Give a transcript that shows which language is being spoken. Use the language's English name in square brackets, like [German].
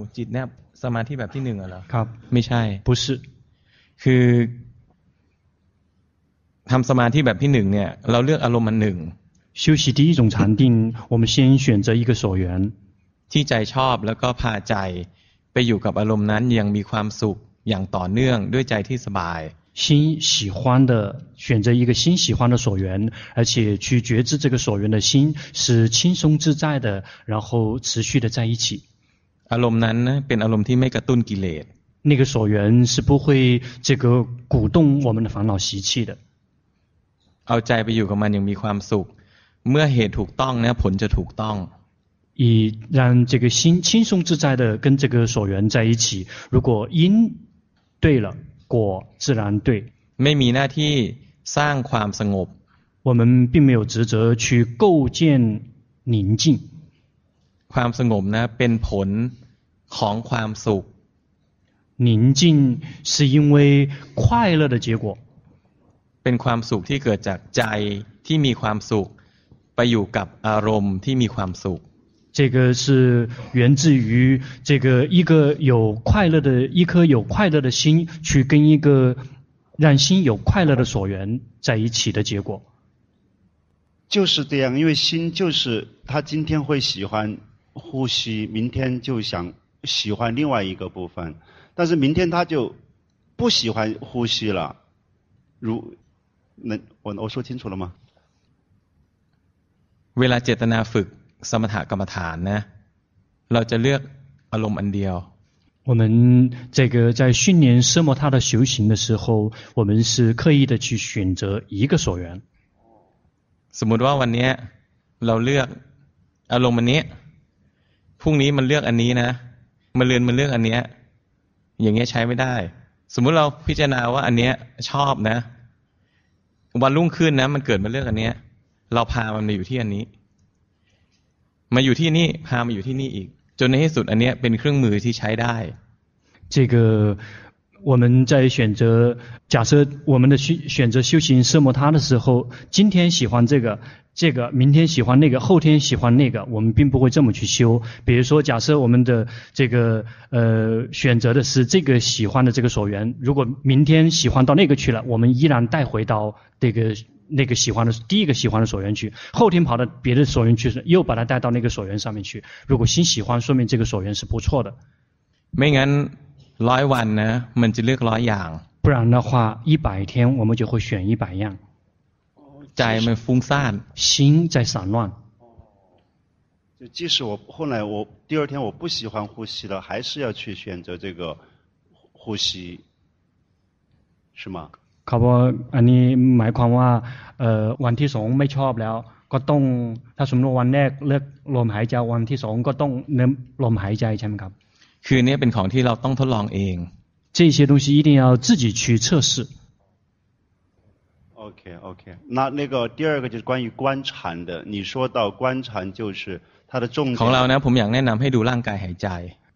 [Thai] จิตเนี่ยสมาธิแบบที่หนึ่งเหรอ ครับ ไม่ใช่ [Chinese] 不是 [Thai] คือทำสมาธิแบบที่หนึ่งเนี่ยเราเลือกอารมณ์มันหนึ่ง [Chinese] 修习第一种禅定我们先选择一个所缘 [Thai] ที่ใจชอบแล้วก็พาใจไปอยู่กับอารมณ์นั้นยังมีความสุขอย่างต่อเนื่องด้วยใจที่สบาย [Chinese] 心喜欢的选择一个心喜欢的所缘而且去觉知这个所缘的心是轻松自在的然后持续的在一起 [Thai] อารมณ์นั้นเป็นอารมณ์ที่ไม่กระตุ้นกิเลส [Chinese] 那个所缘是不会这个鼓动我们的烦恼习气的 [Thai] เอาใจไปอยู่กับมันยังมีความสุขเมื่อเหตุถูกต้องเนี่ยผลจะถูกต้อง [Chinese] 以让这个心轻松自在的跟这个所缘在一起如果因对了果自然对 [Thai] ไม่มีหน้าที่สร้างความสงบ [Chinese] 我们并没有职责去构建宁静 [Thai] ความสงบนะเป็นผลของความสุข [Chinese] 宁静是因为快乐的结果 [Thai] เป็นความสุขที่เกิดจากใจที่มีความสุขไปอยู่กับอารมณ์ที่มีความสุข [Chinese] 这个是源自于这个一个有快乐的一颗有快乐的心去跟一个让心有快乐的所缘在一起的结果就是这样因为心就是他今天会喜欢呼吸明天就想喜欢另外一个部分但是明天他就不喜欢呼吸了如能我说清楚了吗 [Thai] เวลาเจตนาฝึกสมถกรรมฐานนะเราจะเลือกอารมณ์อันเดียว [Chinese] 我们这个在训练奢摩他的修行的时候我们是刻意的去选择一个所缘 [Thai] สมมุติว่าวันนี้เราเลือกอารมณ์อันนี้พรุ่งนี้มันเลือกอันนี้นะมาเรียนมันเลือกอันนี้อย่างเงี้ยใช้ไม่ได้สมมุติเราพิจารณาว่าอันนี้ชอบนะวันรุ่งขึ้นนะมันเกิดมาเลือกอันนี้เราพามันมาอยู่ที่อันนี้มาอยู่ที่นี่พามาอยู่ที่นี่อีกจนในที่สุดอันนี้เป็นเครื่องมือที่ใช้ได้ [Chinese] 这个我们在选择假设我们的选择修行奢摩他的时候今天喜欢这个这个明天喜欢那个后天喜欢那个我们并不会这么去修比如说假设我们的这个选择的是这个喜欢的这个所缘如果明天喜欢到那个去了我们依然带回到那个喜欢的第一个喜欢的所缘去后天跑到别的所缘去又把它带到那个所缘上面去如果心喜欢说明这个所缘是不错的没人 [Thai] ร้อยวันนะมันจะเลือกร้อยอย่าง [Chinese] 不然的话一百天我们就会选一百样 [Thai] ใจมันฟุ้งซ่าน [Chinese] 心在散乱就即使我后来我第二天我不喜欢呼吸了还是要去选择这个呼吸是吗 [Thai] ครับว่าอันนี้หมายความว่าวันที่สองไม่ชอบแล้วก็ต้องถ้าสมมติวันแรกเลือกลมหายใจวันที่สองก็ต้องเน้นลมหายใจใช่ไหมครับ คือเนี่ยเป็นของที่เราต้องทดลองเอง [Chinese] 这些东西一定要自己去测试 OK OK 那个第二个就是关于观禅的你说到观禅就是它的重点 [Thai] ของเรานะผมอยากแนะนำให้ดูร่างกายหายใจ